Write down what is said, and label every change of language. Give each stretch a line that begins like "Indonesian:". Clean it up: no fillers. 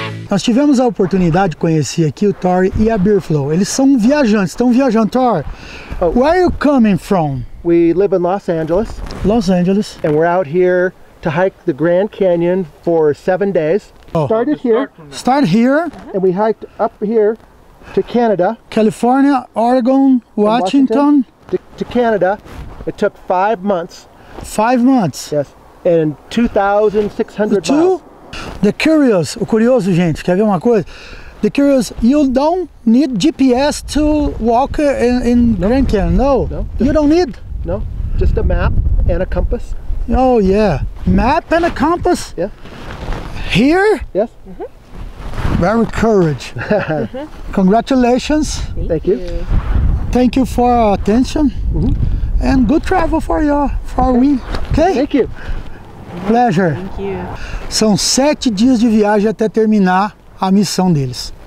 Portuguese: Nós tivemos a oportunidade de conhecer aqui o Tori e a Beer Flow. Eles são viajantes, estão viajando.
English: Tori, where are you coming from? We live in Los Angeles. Los Angeles. And we're out here to hike the Grand Canyon for 7 days. Oh. Started here. Start here. And we hiked up here to Canada. California, Oregon, Washington. To Canada. It took 5 months. 5 months. Yes. And 2,600 miles. The curious,
Portuguese: gente, quer ver uma coisa?
English: The curious, you don't need GPS to walk in Grand Canyon, no? No. You don't need? No, just a map and a compass. Oh yeah. Map and a compass? Yeah. Here? Yes. Mm-hmm. Very courage. Mm-hmm. Congratulations. Thank you. Thank you for your attention. Mm-hmm. And good travel for you, for me. Okay? Thank you. Pleasure. Thank you.
Portuguese: São 7 dias de viagem até terminar a missão deles.